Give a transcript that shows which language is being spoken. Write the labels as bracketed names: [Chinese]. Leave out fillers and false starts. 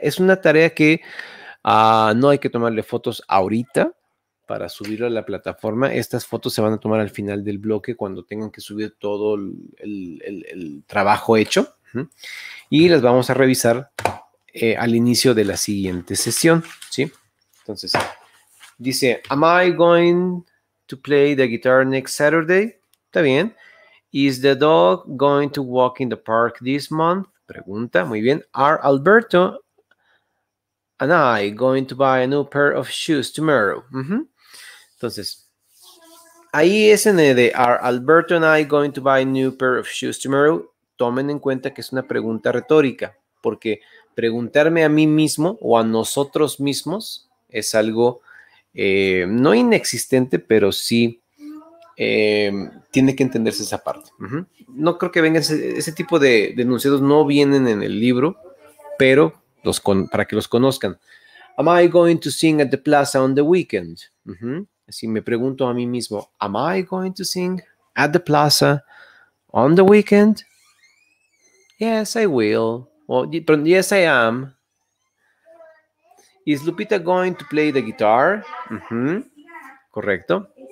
[Spanish] Es una tarea que no hay que tomarle fotos ahorita para subirlo a la plataforma. Estas fotos se van a tomar al final del bloque cuando tengan que subir todo el trabajo hecho. Y las vamos a revisar al inicio de la siguiente sesión, ¿sí? Entonces, dice, [English] am I going to play the guitar next Saturday? [Spanish] Está bien. [English] Is the dog going to walk in the park this month? [Spanish] Pregunta, muy bien. [English] Are Alberto and I going to buy a new pair of shoes tomorrow? Uh-huh. [Spanish] Entonces, ahí es en el de, [English] are Alberto and I going to buy a new pair of shoes tomorrow? [Spanish] Tomen en cuenta que es una pregunta retórica, porque preguntarme a mí mismo o a nosotros mismos es algo no inexistente, pero sí tiene que entenderse esa parte. Uh-huh. No creo que vengan ese tipo de enunciados, no vienen en el libro, pero para que los conozcan. [English] Am I going to sing at the plaza on the weekend? Uh-huh. [Spanish] Si me pregunto a mí mismo, [English] am I going to sing at the plaza on the weekend? Yes, I will. Well, yes, I am. Is Lupita going to play the guitar? Uh-huh. [Spanish] Correcto.